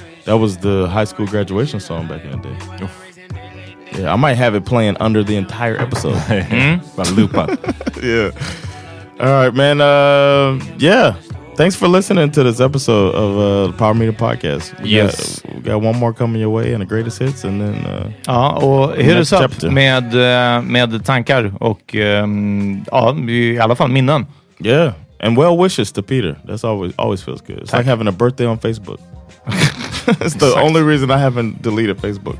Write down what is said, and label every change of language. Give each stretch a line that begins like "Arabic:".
English: That was the high school graduation song back in the day. Oof. Yeah, I might have it playing under the entire episode. By loop up. Yeah. All right, man. Yeah. Thanks for listening to this episode of the Power Meter Podcast. We got one more coming your way in the greatest hits, and then
Swedish: Och
English: hit us up
Swedish: med tankar och i alla fall minnen.
English: Yeah, and well wishes to Peter. That's always feels good. It's like having a birthday on Facebook. It's the only reason I haven't deleted Facebook.